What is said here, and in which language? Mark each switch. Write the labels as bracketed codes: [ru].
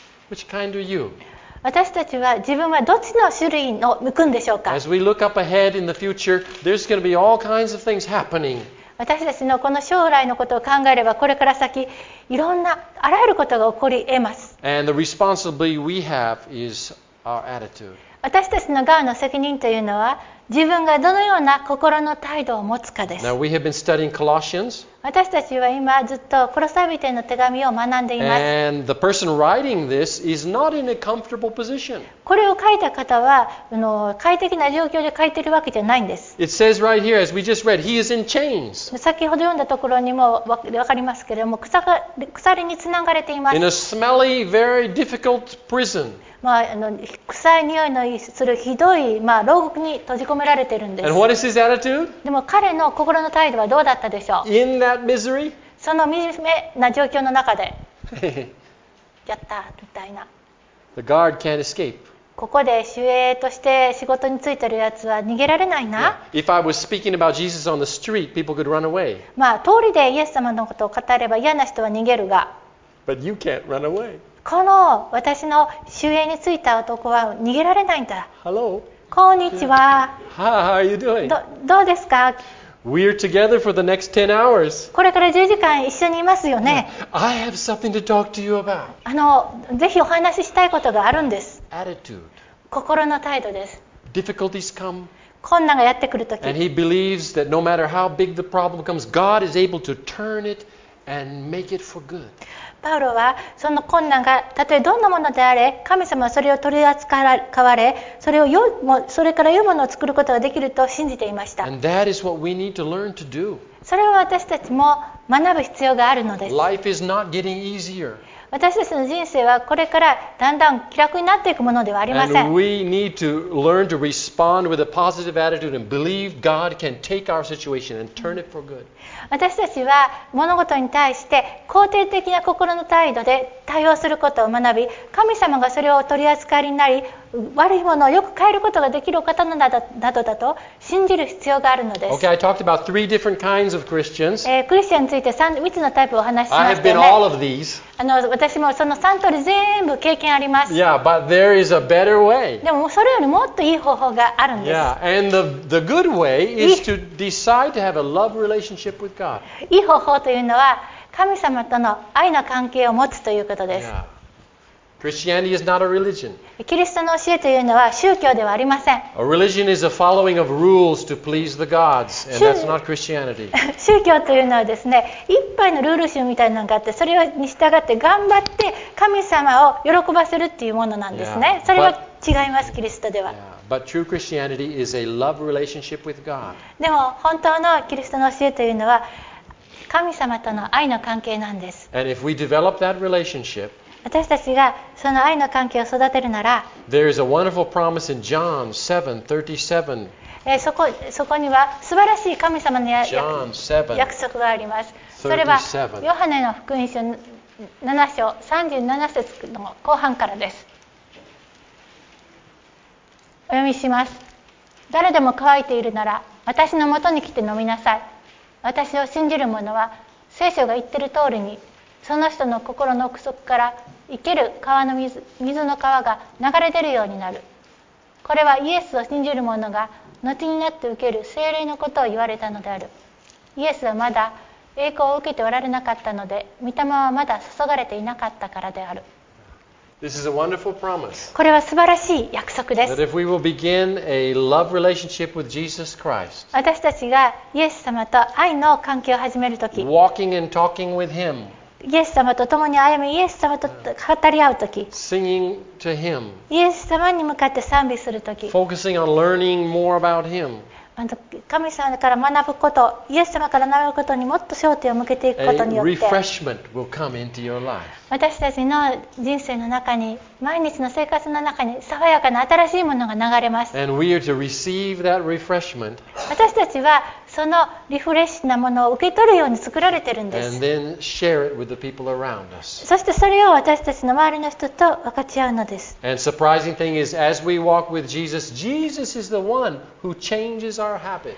[en] Which kind are you? [ja] 私たちは自分はどっちの種類を向くんでしょうか。 [en] As we look up ahead in the future, there's going to be all kinds of things happening. [ja] 私たちのこの将来のことを考えればこれから先いろんなあらゆることが起こり得ます。 [en] And the responsibility we have is our attitude. [ja] 私たちの側の責任というのは自分がどのような心の態度を持つかです。 [en] Now we have been studying Colossians. [ja] 私たちは今ずっとコロサビテの手紙を学んでいます。 [en] And the person writing this is not in a comfortable position. [ja] これを書いた方は快適な状況で書いているわけじゃないんです。 [en] It says right here, as we just read, he is in chains. [ja] 先ほど読んだところにも分かりますけれども、鎖につながれています。 [en] In a smelly, very difficult prison. [ja] まあ、臭い匂いのするひどい、まあ、牢獄に閉じ込められているんです。 [en] And what is his attitude? [ja] でも彼の心の態度はどうだったでしょう? [en] In that misery? [ja] その惨めな状況の中で。やったみたいな。 [en] The guard can't escape. [ja] ここで守衛として仕事に就いてるやつは逃げられないな。 [en] Yeah. If I was speaking about Jesus on the street, people could run away. [ja] まあ、通りでイエス様のことを語れば嫌な人は逃げるが。 [en] But you can't run away. [ja] この私の周囲に着いた男は逃げられないんだ。 [en] Hello. [ja] こんにちは。 [en] How are you doing? [ja] どうですか? [en] We are together for the next 10 hours. [ja] これから10時間一緒にいますよね。 [en] Yeah. I have something to talk to you about. [ja] ぜひお話ししたいことがあるんです。 [en] Attitude. [ja] 心の態度です。 [en] Difficulties come. [ja] 困難がやってくるとき。 [en] And he believes that no matter how big the problem comes, God is able to turn it and make it for good. [ja] パウロはその困難がたとえどんなものであれ神様はそれを取り扱われそれから良いものを作ることができると信じていました。 [en] And that is what we need to learn to do. [ja] それは私たちも学ぶ必要があるのです。 [en] Life is not getting easier. [ja] 私たちの人生はこれからだんだん気楽になっていくものではありません。 [en] And we need to learn to respond with a positive attitude and believe God can take our situation and turn it for good. [ja] 私たちは物事に対して肯定的な心の態度で対応することを学び、神様がそれを取り扱いになり、悪いものをよく変えることができる方などだと信じる必要があるのです。 [en] Okay, I talked about three different kinds of Christians. [ja] クリスチャンについて 3つのタイプをお話ししましたね。 [en] I have been all of these. [ja] 私もその3通り全部経験あります。 [en] Yeah, but there is a better way. [ja] でもそれよりもっといい方法があるんです。 [en] Yeah, and the good way is to decide to have a love relationship with God. [ja] いい方法というのは神様との愛の関係を持つということです。 [en] Yeah. Christianity is not a religion. [ja] キリストの教えというのは宗教ではありません。 [en] A religion is a following of rules to please the gods, and that's not Christianity. [ja] 宗教というのはですね、いっぱいのルール集みたいなのがあって、それに従って頑張って神様を喜ばせるっていうものなんですね。 [en] Yeah. [ja] それは違います、キリストでは。 [en] Yeah. But true Christianity is a love relationship with God. [ja] でも本当のキリストの教えというのは神様との愛の関係なんです。 [en] And if we develop that relationship, [ja] 私たちがその愛の関係を育てるなら、 [en] There is a wonderful promise in John 7:37. [ja] そこには素晴らしい神様の約束があります。それはヨハネの福音書7章37節の後半からです。お読みします。誰でも渇いているなら、私のもとに来て飲みなさい。私を信じる者は、聖書が言っている通りに、その人の心の奥底から生ける川の水の川が流れ出るようになる。これはイエスを信じる者が後になって受ける聖霊のことを言われたのである。イエスはまだ栄光を受けておられなかったので、御霊はまだ注がれていなかったからである。 [en] This is a wonderful promise. [ja] これは素晴らしい約束です。 [en] That if we will begin a love relationship with Jesus Christ, [ja] 私たちがイエス様と愛の関係を始めるとき、 [en] Walking and talking with Him, [ja] イエス様と共に歩み、イエス様と語り合うとき、 [en] Singing to him. [ja] イエス様に向かって賛美するとき、 [en] Focusing on learning more about him. [ja] 神様から学ぶこと、イエス様から学ぶことにもっと焦点を向けていくことによって、 [en] A refreshment will come into your life. [ja] 私たちの人生の中に、毎日の生活の中に爽やかな新しいものが流れます。 [en] And we are to receive that refreshment. [ja] 私たちはそのリフレッシュなものを受け取るように作られてるんです。そしてそれを私たちの周りの人と分かち合うのです。 [en] And surprising thing is, as we walk with Jesus, Jesus is the one who changes our habits.